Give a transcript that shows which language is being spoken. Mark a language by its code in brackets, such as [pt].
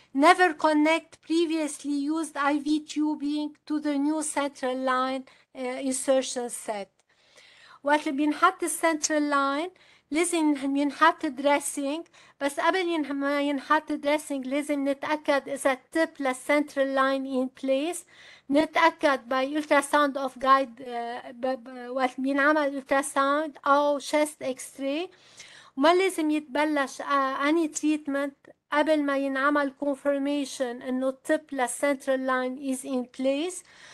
[en] Never connect previously used IV tubing to the new central line insertion set. [ar] وقت بينحط central line, لازم ينحط dressing, بس قبل ما ينحط dressing لازم نتأكد إذا tip للcentral line [en] in place. [ar] نتأكد [en] by ultrasound of guide [ar] وقت بينعمل ultrasound أو chest X-ray. ما لازم يتبلش [en] any treatment [ar] قبل ما ينعمل confirmation إنه tip للcentral line [en] is in place.